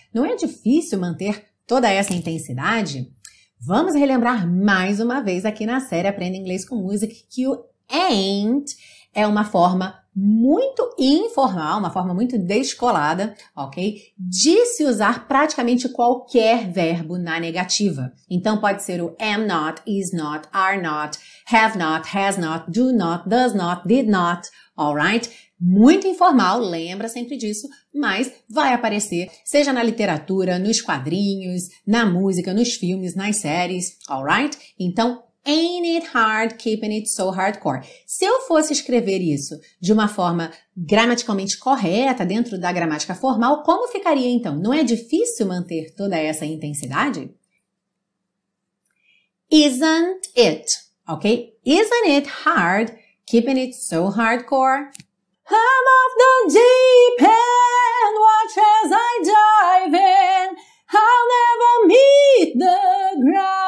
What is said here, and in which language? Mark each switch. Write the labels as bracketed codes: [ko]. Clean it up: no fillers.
[pt] Não é difícil manter toda essa intensidade? Vamos relembrar mais uma vez aqui na série Aprenda Inglês com Música que o ain't é uma forma muito informal, uma forma muito descolada, ok? De se usar praticamente qualquer verbo na negativa. Então pode ser o [en] am not, is not, are not, have not, has not, do not, does not, did not, alright? [pt] Muito informal, lembra sempre disso, mas vai aparecer, seja na literatura, nos quadrinhos, na música, nos filmes, nas séries, alright? [en] Então, ain't it hard keeping it so hardcore? [pt] Se eu fosse escrever isso de uma forma gramaticalmente correta, dentro da gramática formal, como ficaria então? Não é difícil manter toda essa intensidade? [en] Isn't it, ok? Isn't it hard keeping it so hardcore? I'm off the deep end, watch as I dive in, I'll never meet the ground.